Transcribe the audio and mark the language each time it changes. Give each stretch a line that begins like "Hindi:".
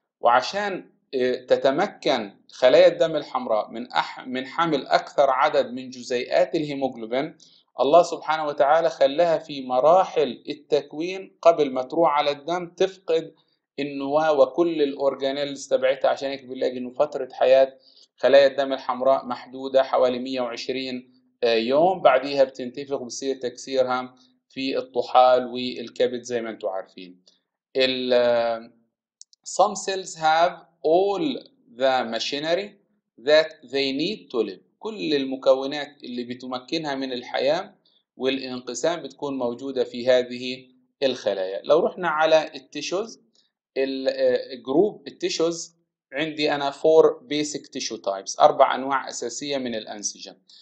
Arabic: وعشان تتمكن خلايا الدم الحمراء من حمل اكثر عدد من جزيئات الهيموجلوبين، الله سبحانه وتعالى خلاها في مراحل التكوين قبل ما تروح على الدم تفقد النواة وكل الأورجانيل اللي استبعتها. عشان هيك بنلاقي انه فترة حياة خلايا الدم الحمراء محدودة حوالي 120 يوم، بعديها بتنتفخ وبصير تكسيرها في الطحال والكبد زي ما انتم عارفين.
English: Some cells have all the machinery that they need to live.
Arabic: كل المكونات اللي بتمكنها من الحياة والانقسام بتكون موجودة في هذه الخلايا. لو رحنا على التيشوز، الجروب التيشوز عندي أنا
English: 4 basic tissue types،
Arabic: 4 أنواع أساسية من الأنسجة.